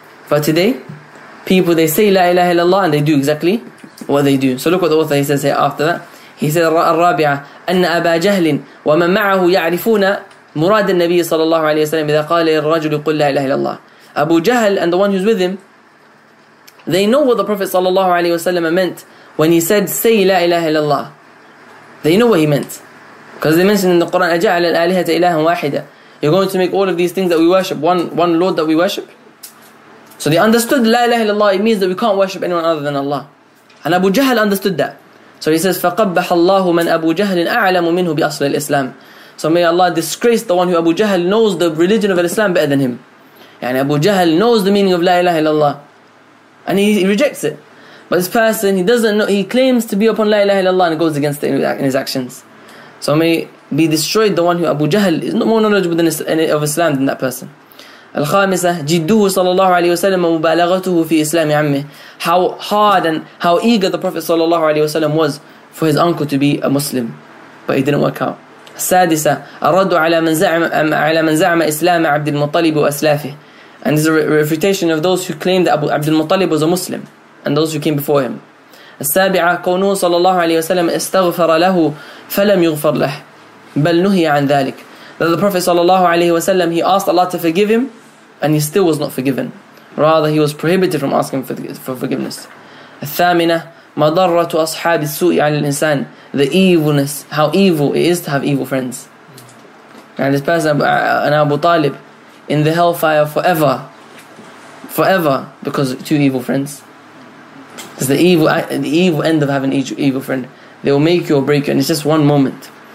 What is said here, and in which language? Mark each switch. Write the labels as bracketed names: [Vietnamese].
[English] But today people, they say [Arabic] la ilaha illallah [English] and they do exactly what they do. So look what the author, he says here after that. He said, [Arabic] الرابعة أن أبا جهل ومن معه يعرفون مراد النبي صلى الله عليه وسلم إذا قال للرجل قل لا إله إلا الله. [English] Abu Jahl and the one who's with him, they know what the Prophet صلى الله عليه وسلم meant when he said say [Arabic] لا إله إلا الله. [English] They know what he meant, because they mentioned in the Quran, [Arabic] أجعل الآلهة إلها واحدة. [English] You're going to make all of these things that we worship one Lord that we worship. So they understood [Arabic] لا إله إلا الله, [English] it means that we can't worship anyone other than Allah. And Abu Jahl understood that. So he says, [Arabic] فَقَبَّحَ اللَّهُ مَنْ أَبُو جَهْلٍ أَعْلَمُ مِنْهُ بِأَصْلِ الْإِسْلَامِ. [English] So may Allah disgrace the one who Abu Jahl knows the religion of Islam better than him. يعني Abu Jahl knows the meaning of [Arabic] لا إله إلا الله, [English] and he rejects it. But this person, he doesn't know, he claims to be upon [Arabic] لا إله إلا الله [English] and goes against it in his actions. So may be destroyed the one who Abu Jahl is more knowledgeable of Islam than that person. [Arabic] الخامسة جدوه صلى الله عليه وسلم مبالغته في إسلام عمه. [English] How hard and how eager the Prophet صلى الله عليه وسلم was for his uncle to be a Muslim, but it didn't work out. [Arabic] السادسة الرد على من زعم إسلام عبد المطلب وأسلافه. [English] And this is a refutation of those who claimed that عبد المطلب was a Muslim and those who came before him. [Arabic] السابعة كونه صلى الله عليه وسلم استغفر له فلم يغفر له بل نهي عن ذلك. [English] That the Prophet sallallahu alaihi wasallam, he asked Allah to forgive him and he still was not forgiven. Rather, he was prohibited from asking for forgiveness. [Arabic] الثامنة مضرة أصحاب السوء على الإنسان. [English] The evilness, how evil it is to have evil friends. And this person, an Abu Talib, in the hellfire forever because of two evil friends. It's the evil end of having each evil friend. They will make you or break you, and it's just one moment.